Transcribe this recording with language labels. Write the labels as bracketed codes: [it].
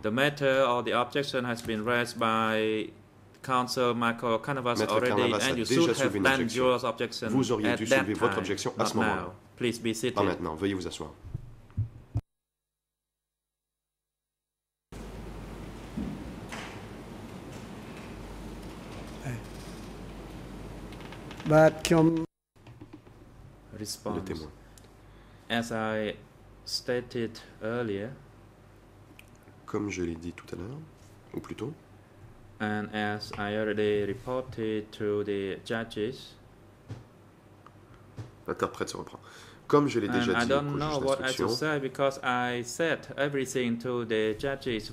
[en] The matter or the objection has been raised by Counsel Michael Canavas [fr] Maître [en] already, [fr] Canavas [en] and you should have done your objection. [fr] Vous auriez dû soulever votre objection à ce moment-là. [en] Please be seated. [fr] Pas maintenant, veuillez vous asseoir. [en] But come. Response. [fr] Le témoin. [en] As I stated earlier. [fr] Comme je l'ai dit tout à l'heure, ou plutôt. [en] And as I already reported to the judges, [fr] l'interprète se reprend. Comme je l'ai déjà dit, [en] I don't know what I should say because I said everything to the judges.